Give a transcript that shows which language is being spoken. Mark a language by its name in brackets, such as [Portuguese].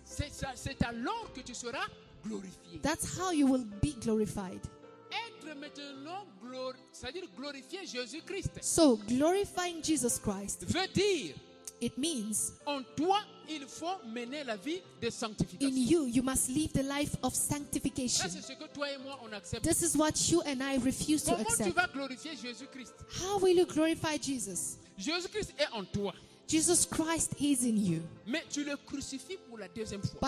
[French] C'est alors que tu seras glorifié. [English] That's how you will be glorified. [French] Être maintenant c'est-à-dire glorifier Jésus-Christ. [English] So glorifying Jesus Christ [French] veut dire. [English] It means [French] en toi, il faut mener la vie de sanctification. [English] In you, you must live the life of sanctification. [French] Là, c'est ce que toi et moi, on accepte. [English] This is what you and I refuse [French] comment [English] to accept. [French] Comment tu vas glorifier Jésus-Christ? [English] How will you glorify Jesus? [French] Jésus-Christ est en toi. [English] Jesus Christ is in you. [French] Mais tu le crucifies pour la deuxième fois.